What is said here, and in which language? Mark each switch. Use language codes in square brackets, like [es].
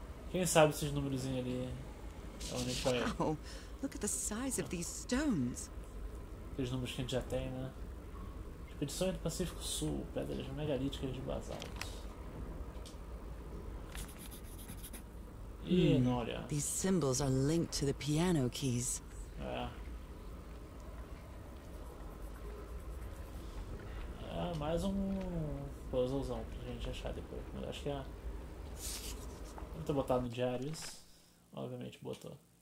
[pt] Quem sabe esses números ali é onde a gente [en] vai. Look at the size of these stones. [pt] Aqueles números que a gente já tem, né? Expedição do Pacífico Sul, pedras megalíticas de basalto. Ih, não, olha. [en] These symbols are linked to the piano keys. [pt] É. Ah, mais um puzzlezão pra gente achar depois. Mas acho que é. Deve ter botado no diário isso. Obviamente botou.